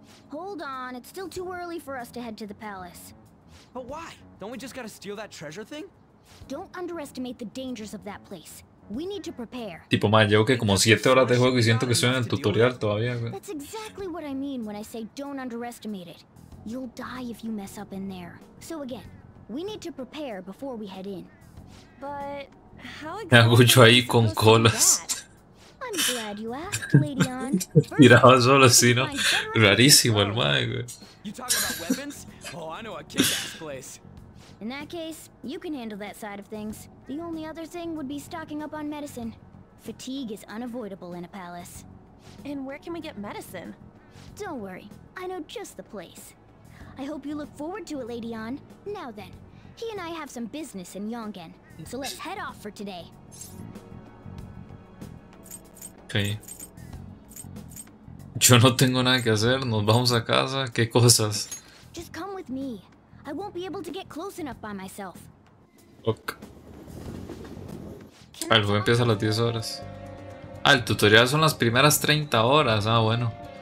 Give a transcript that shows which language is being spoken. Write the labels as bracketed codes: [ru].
[en] Hold on, it's still too early for us to head to the palace. But why? Don't we just gotta steal that treasure thing? Don't underestimate the dangers of that place. We need to prepare. [es] Tipo, man, llevo que como 7 horas de juego y siento que estoy en el tutorial todavía. [en] That's exactly what I mean when I say don't underestimate it. You'll die if you mess up in there. So again, we need to prepare before we head in. But how [es] exactly? Me agucho ahí con colas. [en] I'm glad you asked, Lady On. [es] Tiraba solo, sí, ¿no? Rarísimo el man, güey. [en] You talking about weapons? Oh, I know a kick-ass place. In that case, you can handle that side of things. The only other thing would be stocking up on medicine. Fatigue is unavoidable in a palace. And where can we get medicine? Don't worry, I know just the place. I hope you look forward to it, Lady On. Now then, he and I have some business in Yongen, so let's head off for today. Okay. [es] Yo no tengo nada que hacer, nos vamos a casa, ¿qué cosas? [en] Just come with me. I won't be able to get close enough by myself. Okay. [es] El juego empieza a las 10 horas. Ah, el tutorial son las primeras 30 horas. Ah, bueno.